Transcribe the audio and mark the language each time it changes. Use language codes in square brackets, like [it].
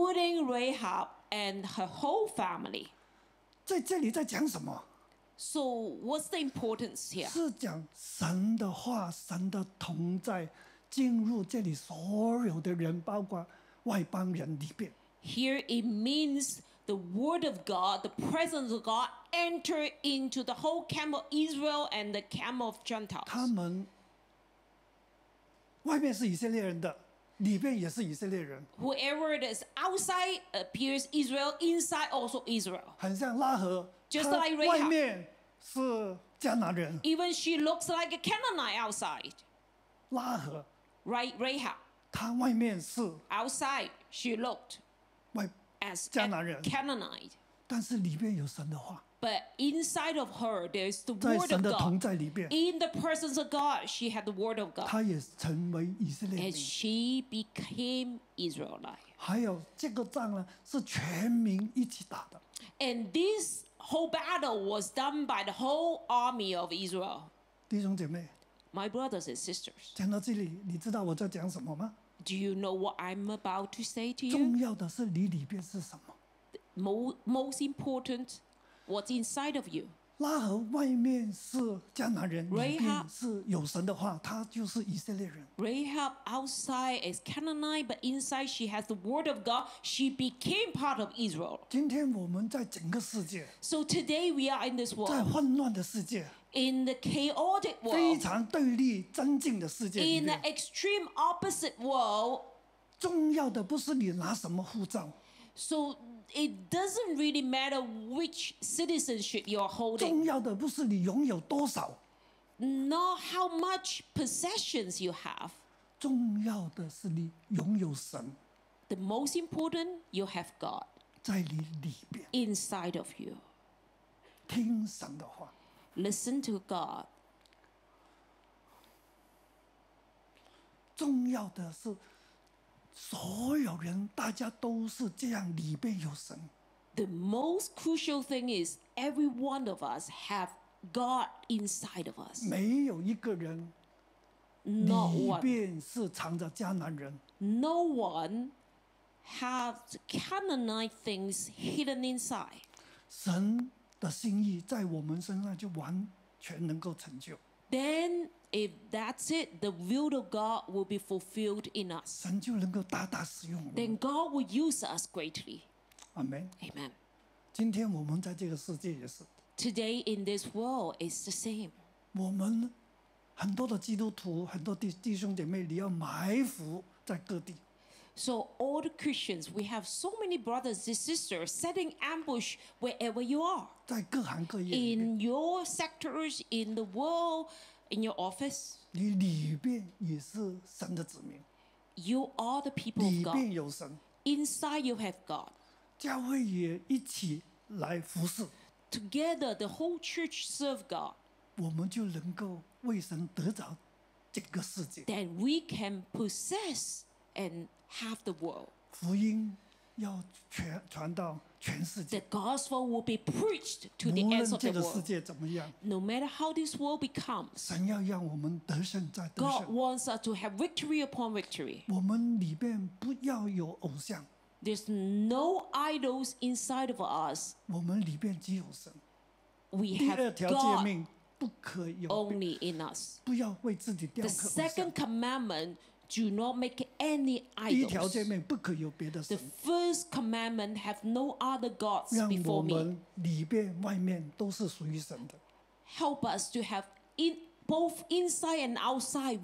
[en] Including Rahab and her whole family. [zh] 在这里在讲什么？ [en] So what's the importance here? [zh] 是讲神的话，神的同在进入这里所有的人，包括外邦人里边。 [en] Here it means the word of God, the presence of God, enter into the whole camp of Israel and the camp of Gentiles. [zh] 他们外面是以色列人的，里边也是以色列人。 [en] Whoever is outside appears Israel, inside also Israel. [zh] 很像拉合。 [en] Just like Rahab, [zh] 她外面是迦南人。 [en] Even she looks like a Canaanite outside. [zh] 拉合。 [en] Right, Rahab. [zh] 她外面是。 [en] Outside, she looked. As [zh] 迦南人。 [en] Canaanite. [zh] 但是里面有神的话。 [en] But inside of her, there's the word of God. [zh] 在神的同在里面。 [en] In the presence of God, she had the word of God. [zh] 她也成为以色列人。 [en] And she became Israelite. [zh] 还有这个仗呢，是全民一起打的。 [en] And this. Whole battle was done by the whole army of Israel. [zh] 弟兄姐妹 [en] my brothers and sisters. [zh] 讲到这里，你知道我在讲什么吗 [en] ？Do you know what I'm about to say to you? [zh] 重要的是你里边是什么 [en] ？Most important, what's inside of you? [zh] 拉合外面是迦南人，里边是有神的话，他就是以色列人。 [en] Rahab outside is Canaanite, but inside she has the word of God. She became part of Israel. [zh] 今天我们在整个世界 [en] ，So today we are in this world. [zh] 在混乱的世界 [en] ，In the chaotic world. [zh] 非常对立、争竞的世界里面 [en] ，In the extreme opposite world. [zh] 重要的不是你拿什么护照 [en] So it doesn't really matter which citizenship you're holding. [zh] 重要的不是你拥有多少。 [en] Not how much possessions you have. [zh] 重要的是你拥有神。 [en] The most important, you have God. [zh] 在你里边。 [en] Inside of you. [zh] 听神的话。 [en] Listen to God. [zh] 重要的是所有人大家都是这样里面有神。 [en] The most crucial thing is every one of us have God inside of us. [zh] 没有一个人里面是藏着迦南人。 [en] No one has Canaanite things hidden inside. [zh] 神的心意在我们身上就完全能够成就。 [en] Then, if that's it, the will of God will be fulfilled in us. [zh] 神就能够大大使用我们。 [en] Then God will use us greatly. Amen. Amen. [zh] 今天我们在这个世界也是。 [en] Today in this world, it's the same. [zh] 我们很多的基督徒，很多弟兄姐妹，你要埋伏在各地。 [en] So all the Christians, we have so many brothers and sisters setting ambush wherever you are. [zh] 在各行各业。 [en] In your sectors, in the world, in your office. [zh] 你里边也是神的子民。 [en] You are the people of God. [zh] 里边有神。 [en] Inside you have God. [zh] 教会也一起来服侍。 [en] Together, the whole church serve God. [zh] 我们就能够为神得着这个世界。 [en] Then we can possess and half the world. [zh] 福音要传到全世界。 [en] The gospel will be preached to the ends of the world. [zh] 无论这个世界怎么样。 [en] No matter how this world becomes. [zh] 神要让我们得胜再得胜。 [en] God wants us to have victory upon victory. [zh] 我们里边不要有偶像。 [en] There's no idols inside of us. [zh] 我们里边只有神。 [en] We have God. [zh] 第二条诫命不可有。 [en] Only in us. [zh] 不要为自己雕刻偶像。 [en] The second commandment. Do not make any idols. [zh] 第一条诫命不可有别的神。 [en] The first commandment have no other gods before me. [zh] 让我们里边外面都是属于神的。 [en] Help us to have in both inside and outside.